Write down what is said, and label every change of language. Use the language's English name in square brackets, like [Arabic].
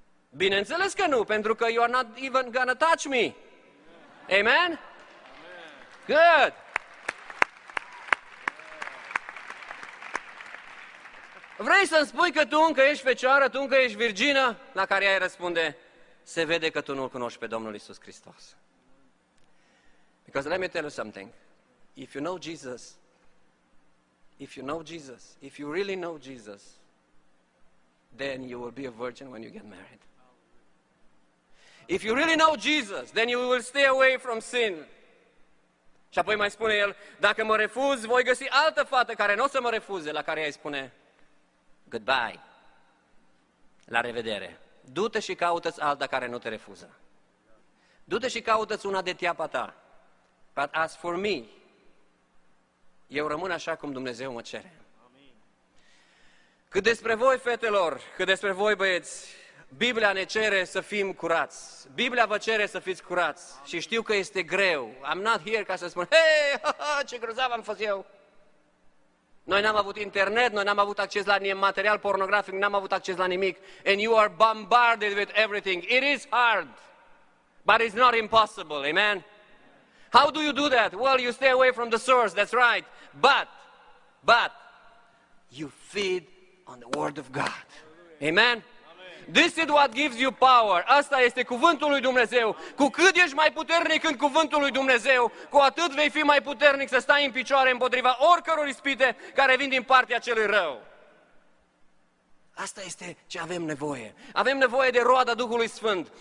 [Romanian] Bineînțeles că nu, pentru că [English] you are not even gonna touch me. Amen? Good! [Romanian] Vrei să-mi spui că tu încă ești fecioară, tu încă ești virgină? La care ea îi răspunde, se vede că tu nu-L cunoști pe Domnul Iisus Hristos. [English] Because let me tell you something. If you know Jesus, if you know Jesus, if you really know Jesus, then you will be a virgin when you get married. If you really know Jesus, then you will stay away from sin. [Romanian] Și apoi mai spune el, dacă mă refuz, voi găsi altă fată care n-o să mă refuze, la care ea îi spune, goodbye, la revedere, du-te și caută-ți alta care nu te refuză. Du-te și caută-ți una de tiapa ta. [English] But as for me, [Romanian] eu rămân așa cum Dumnezeu mă cere. Cât despre voi, fetelor, cât despre voi, băieți, Biblia ne cere să fim curați. Biblia vă cere să fiți curați. Și știu că este greu. [English] I'm not here [Romanian] ca să spun, hey, ce grozav am fost eu. Noi n-am avut internet, noi n-am avut acces la material pornografic, n-am avut acces la nimic. [English] And you are bombarded with everything. It is hard, but it's not impossible. Amen? How do you do that? Well, you stay away from the source, that's right. But, you feed on the word of God. Amen? This is what gives you power. [Romanian] Asta este cuvântul lui Dumnezeu. Cu cât ești mai puternic în cuvântul lui Dumnezeu, cu atât vei fi mai puternic să stai în picioare împotriva oricăror ispite care vin din partea celui rău. Asta este ce avem nevoie. Avem nevoie de roada Duhului Sfânt.